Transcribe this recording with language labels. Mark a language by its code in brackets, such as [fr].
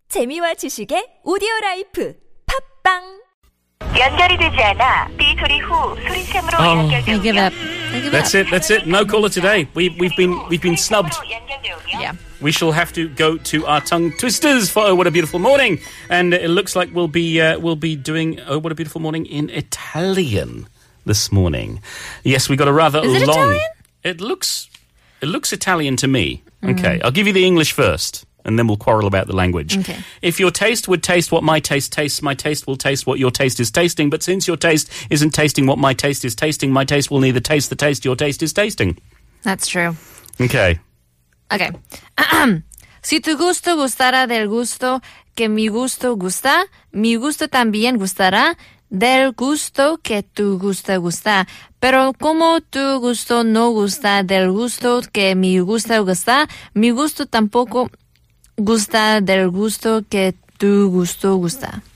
[ko] 재미와 지식의 오디오라이프 팝빵 연결이 되지 않아 비토리 후 수리샘으로 연결되어 [en] That's it. No caller today. We've been snubbed. Yeah. We shall have to go to our tongue twisters for Oh What a Beautiful Morning, and it looks like we'll be doing Oh What a Beautiful Morning in Italian this morning. Yes, we got a rather is it long. Italian? It looks Italian to me. Mm. Okay, I'll give you the English first, and then we'll quarrel about the language. Okay. If your taste would taste what my taste tastes, my taste will taste what your taste is tasting. But since your taste isn't tasting what my taste is tasting, my taste will neither taste the taste your taste is tasting. That's true. Okay. Okay. [es] Si tu gusto gustara del gusto que mi gusto gusta, mi gusto también gustará del gusto que tu gusto gusta. Pero como tu gusto no gusta del gusto que mi gusto gusta, mi gusto tampoco gusta del gusto que tu gusto gusta.